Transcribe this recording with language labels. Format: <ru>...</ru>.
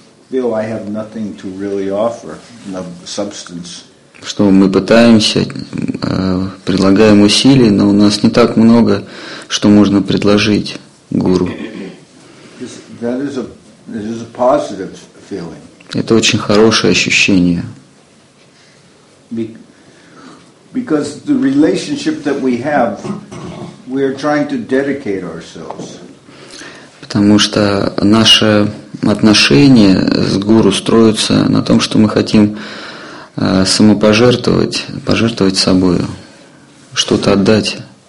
<en>Feel I have nothing to really offer, no substance.</en> <ru>Что мы пытаемся, предлагаем усилия, но у нас не так много, что можно предложить гуру.</ru> <en>That is a positive feeling.</en> <ru>Это очень хорошее ощущение.</ru> <en>Because the relationship that we have, we are trying to dedicate ourselves.</en> <ru>Потому что наше отношения с гуру строятся на том, что мы хотим самопожертвовать, пожертвовать собою, что-то отдать.</ru>